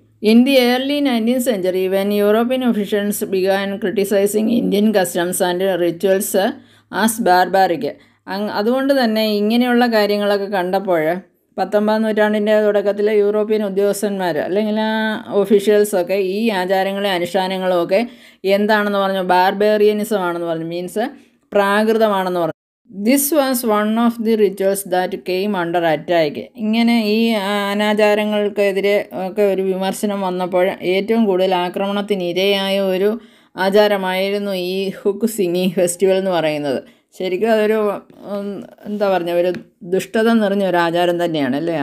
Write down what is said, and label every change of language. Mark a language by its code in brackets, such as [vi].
[en] In the early 19th century when European officials began criticising Indian customs and rituals as barbaric. [ml] അതുകൊണ്ട് തന്നെ ഇങ്ങനെയുള്ള കാര്യങ്ങളൊക്കെ കണ്ടപ്പോൾ 19th century തുടക്കത്തിലെ യൂറോപ്യൻ ഉദ്യോഗസ്ഥന്മാർ അല്ലെങ്കിൽ ആ ഒഫീഷ്യൽസൊക്കെ ഈ ആചാരങ്ങളെയും അനുഷ്ഠാനങ്ങളും ഒക്കെ എന്താണെന്ന് പറഞ്ഞു, ബാർബേറിയനിസം ആണെന്ന് പറഞ്ഞു, മീൻസ് പ്രാകൃതമാണെന്ന് പറഞ്ഞു. [en] This was one of the rituals that came under attack. [ml] ഇങ്ങനെ ഈ അനാചാരങ്ങൾക്കെതിരെ ഒക്കെ ഒരു വിമർശനം വന്നപ്പോൾ ഏറ്റവും കൂടുതൽ ആക്രമണത്തിന് ഇരയായ ഒരു ആചാരമായിരുന്നു ഈ ഹുക്ക് സിംഗിങ് ഫെസ്റ്റിവൽ എന്ന് പറയുന്നത്. ശരിക്കും അതൊരു എന്താ പറഞ്ഞ ഒരു ദുഷ്ടത നിറഞ്ഞ ഒരു ആചാരം തന്നെയാണ് അല്ലേ.